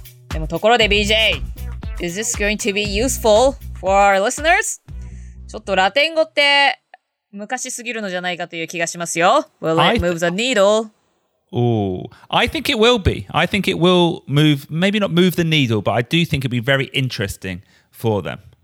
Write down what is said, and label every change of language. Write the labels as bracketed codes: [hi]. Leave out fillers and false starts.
[ja] でもところで BJ! [en] Is this going to be useful for our listeners? [ja] ちょっとラテン語って昔すぎるのじゃないかという気がしますよ。 [en] Will it move the needle? Oh, I think it will be. I think it will move, maybe not move the needle, but I do think it'll be very interesting for them.